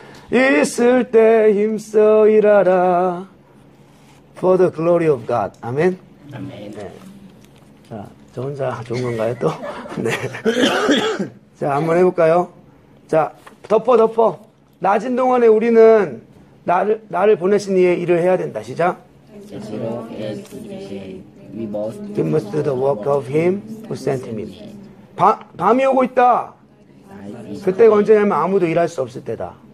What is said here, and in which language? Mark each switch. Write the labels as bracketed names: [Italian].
[Korean] 있을 때 힘써 일하라. [English] For the glory of God. [Korean] 아멘. 아멘. 네. 자, 저 혼자 좋은 건가요, 또? 네. 자, 한번 해볼까요? 자, 덮어, 덮어. 낮은 동안에 우리는 나를 보내신 이의 일을 해야 된다. 시작. [English] As long as it is day, we must do the work of him who sent me. [Korean] 밤이 오고 있다. 그때가 언제냐면 아무도 일할 수 없을 때다.